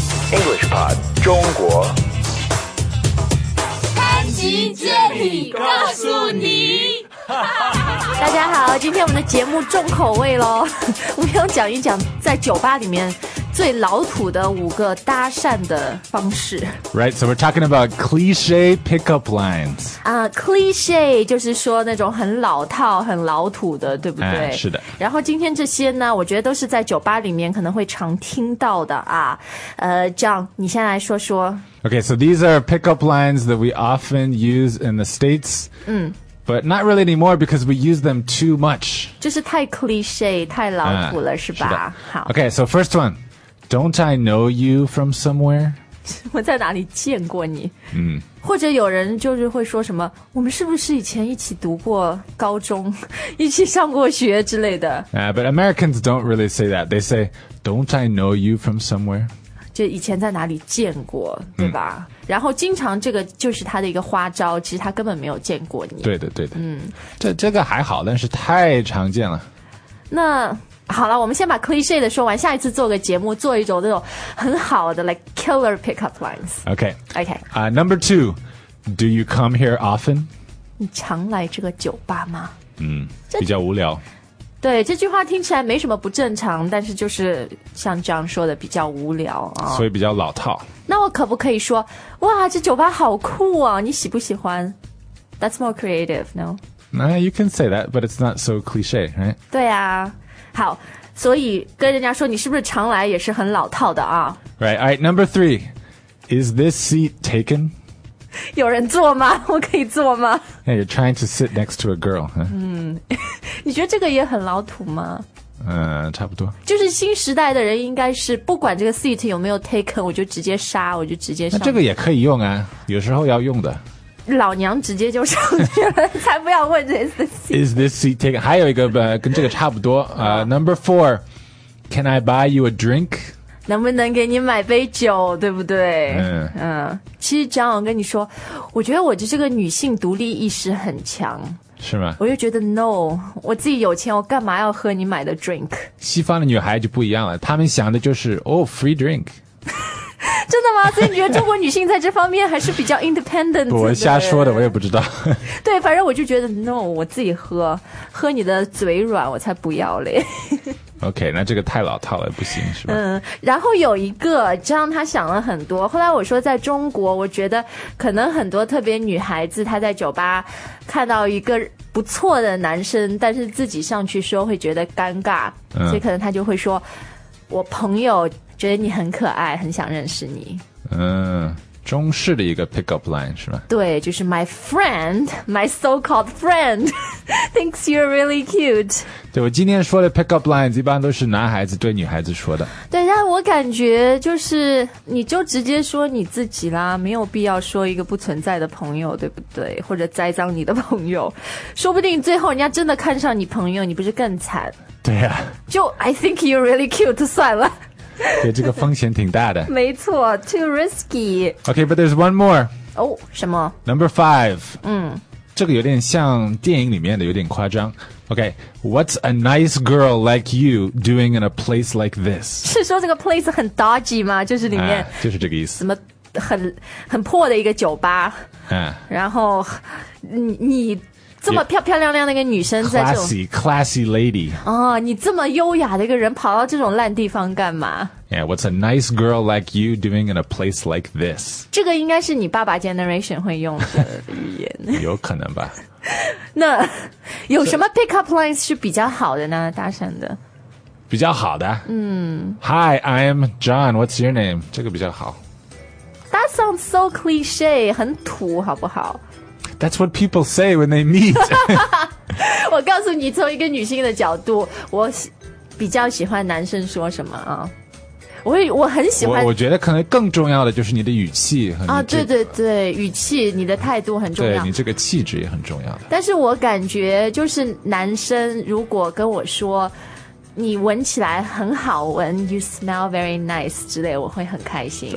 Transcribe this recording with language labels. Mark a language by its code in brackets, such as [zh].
[zh] English Pod 中国。潘吉这里告诉你。大家好，今天我们的节目重口味喽，我们要讲一讲在酒吧里面最老土的五个搭讪的方式。 [en] Right, so we're talking about cliche pickup lines. [zh] Cliche 就是说那种很老套、很老土的，对不对？是的。然后今天这些呢，我觉得都是在酒吧里面可能会常听到的啊。 John, 你先来说说。 [en] Okay, so these are pickup lines that we often use in the States. But not really anymore because we use them too much. [zh] 就是太 cliche, 太老土了、是吧？是的。好。 [en] Okay, so first one. Don't I know you from somewhere? [zh] 我在哪里见过你？或者有人就是会说什么，我们是不是以前一起读过高中，一起上过学之类的。 [en] But Americans don't really say that. They say, don't I know you from somewhere? [zh] 就以前在哪里见过，对吧？然后经常这个就是他的一个花招，其实他根本没有见过你。对的，对的。这个还好，但是太常见了。那好了，我们先把 cliche 的说完，下一次做个节目，做一种那种很好的 [en] like killer pickup lines。 OK. Number two, do you come here often? [zh] 你常来这个酒吧吗？比较无聊。对，这句话听起来没什么不正常，但是就是像这样说的比较无聊、所以比较老套。那我可不可以说，哇，这酒吧好酷啊，你喜不喜欢？ [en] That's more creative, no? You can say that, but it's not so cliche, right? [zh] 对啊，好，所以跟人家说你是不是常来也是很老套的啊。 [en] Right, number three, is this seat taken? [zh] 有人坐吗？我可以坐吗？ [en] Yeah, you're trying to sit next to a girl, huh? [zh] 你觉得这个也很老土吗？差不多。就是新时代的人应该是不管这个 seat 有没有 taken, 我就直接杀，我就直接上。那这个也可以用啊，有时候要用的。老娘直接就上去了，才不要问这个 seat. [en] Is this seat taken? [zh] 还有一个跟这个差不多。 [en] Number four, can I buy you a drink? [zh] 能不能给你买杯酒，对不对？其实张总跟你说，我觉得我的这个女性独立意识很强，是吗？我就觉得 no, 我自己有钱，我干嘛要喝你买的 drink? 西方的女孩就不一样了，她们想的就是 [en] oh, free drink. [zh] 真的吗？所以你觉得中国女性在这方面还是比较 independent? 我瞎说的，我也不知道。对，反正我就觉得 no, 我自己喝，喝你的嘴软，我才不要嘞。 OK, 那这个太老套了，不行，是吧？然后有一个，这样他想了很多。后来我说，在中国，我觉得可能很多特别女孩子，她在酒吧看到一个不错的男生，但是自己上去说会觉得尴尬，所以可能她就会说，我朋友觉得你很可爱，很想认识你。中式的一个 pickup line 是吧？对， [en] 就是 my friend, my so-called friend thinks you're really cute. [zh] 对，我今天说的 pickup lines 一般都是男孩子对女孩子说的。对，但我感觉就是你就直接说你自己啦，没有必要说一个不存在的朋友，对不对？或者栽赃你的朋友，说不定最后人家真的看上你朋友，你不是更惨？对呀、 [en] 就 I think you're really cute [zh] 算了。对，这个风险挺大的。没错 [en] ，too risky. Okay, but there's one more. [zh] 哦，什么 [en] ？Number five. [zh] 这个有点像电影里面的，有点夸张。 [en] Okay, what's a nice girl like you doing in a place like this? [zh] 是说这个 place 很 dodgy 吗？就是里面、就是这个意思。什么很破的一个酒吧？然后你。这么漂漂亮亮的一个女生在这种 [en] classy lady [zh] 哦，你这么优雅的一个人跑到这种烂地方干嘛 [en] ？Yeah, what's a nice girl like you doing in a place like this? [zh] 这个应该是你爸爸 generation 会用的语言，有可能吧？那有什么 pickup lines 是比较好的呢？搭讪的比较好的， [en] Hi, I'm John. What's your name? [zh] 这个比较好。 [en] That sounds so cliche, [zh] 很土，好不好？ [en] That's what people say when they meet. [zh] 我告诉你，从一个女性的角度，我比较喜欢男生说什么啊？我很喜欢。我觉得可能更重要的就是你的语气和啊，对对对，语气，你的态度很重要。对你这个气质也很重要的。但是我感觉就是男生如果跟我说你闻起来很好闻 ， [en] you smell very nice [zh] 之类，我会很开心